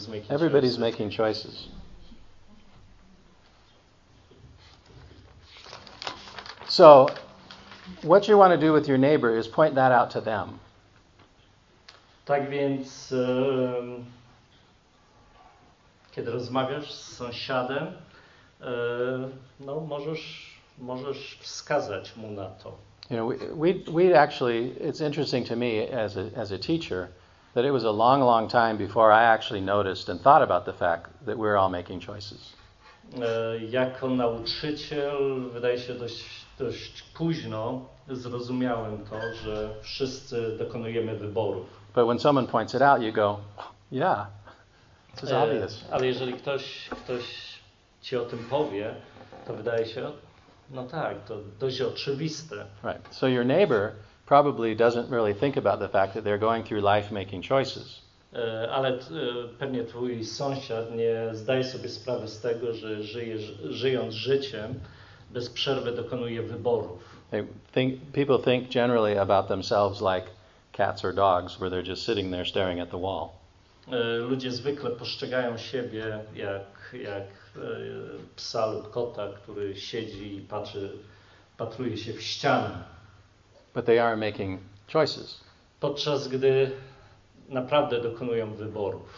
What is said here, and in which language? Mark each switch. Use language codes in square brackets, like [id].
[en] Everybody's making choices. So, what you want to do with your neighbor is point that out to them. [pl] Tak więc, kiedy rozmawiasz z sąsiadem, no możesz wskazać mu na to. [en] You know, we actually, it's interesting to me as a teacher. That it was a long, long time before I actually noticed and thought about the fact that we're all making choices. [pl] Jako nauczyciel wydaje się dość późno zrozumiałem to, że wszyscy dokonujemy wyborów. [en] But when someone points it out, you go, yeah, it's obvious. [pl] Ale jeżeli ktoś ci o tym powie, to wydaje się, no tak, to dość oczywiste. [en] Right. So your neighbor probably doesn't really think about the fact that they're going through life making choices. [pl] Ale pewnie twój sąsiad nie zdaje sobie sprawy z tego, że żyjąc życiem, bez przerwy dokonuje wyborów. [en] People think generally about themselves like cats or dogs, where they're just sitting there staring at the wall. [pl] Ludzie zwykle postrzegają siebie jak psa lub kota, który siedzi i patruje się w ścianę. [en] But they are making choices. [pl] Podczas gdy naprawdę dokonują wyborów.